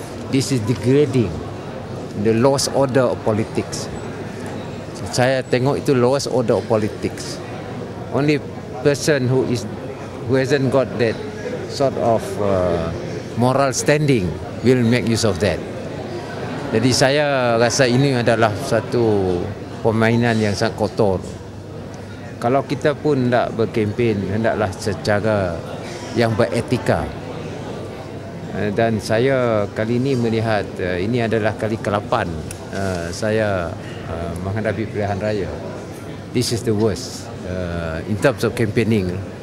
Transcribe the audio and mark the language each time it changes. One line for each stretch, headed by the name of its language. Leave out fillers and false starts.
English: This is degrading, the lowest order of politics.
Malay: So, saya tengok itu
English: lowest order of politics. Only person who hasn't got that sort of moral standing will make use of that.
Malay: Jadi saya rasa ini adalah satu permainan yang sangat kotor. Kalau kita pun nak berkempen, hendaklah secara yang beretika. Dan saya kali ini melihat ini adalah kali ke-8 saya menghadapi pilihan raya.
English: This is the worst in terms of campaigning.